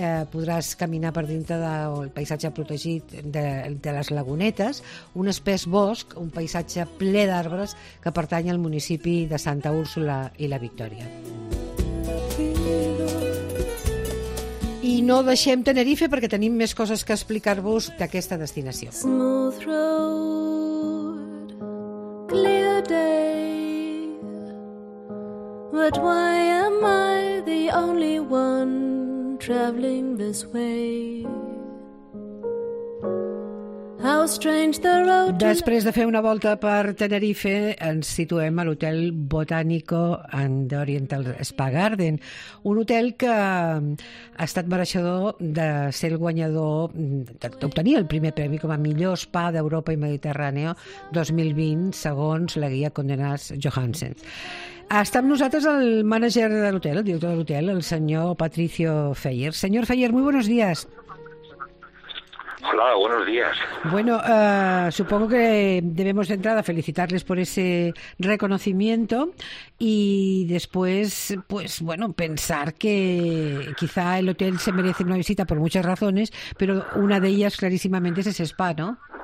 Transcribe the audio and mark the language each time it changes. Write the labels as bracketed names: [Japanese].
[Catalan] Podràs caminar per dintre del paisatge protegit de les Lagunetes, un espès bosc, un paisatge ple d'arbres que pertany al municipi de Santa Úrsula i la Victòria. I no deixem Tenerife perquè tenim més coses que explicar-vos d'aquesta destinació. [English] Smooth road, clear day, but why am I the only one traveling this way? How strange the road. [Catalan] Després de fer una volta per Tenerife, ens situem a l'Hotel Botánico and Oriental Spa Garden, un hotel que ha estat mereixedor de ser el guanyador, d'obtenir el primer premi com a millor spa d'Europa i Mediterrània 2020, segons la guia Condé Nast Johansen. Està amb nosaltres el mànager de l'hotel, el director de l'hotel, el senyor Patricio Feyer. [Spanish] Senyor Feyer, muy buenos días. Hola, buenos días. Bueno, supongo que debemos de entrada felicitarles por ese reconocimiento y después, pues bueno, pensar que quizá el hotel se merece una visita por muchas razones, pero una de ellas clarísimamente es ese spa, ¿no?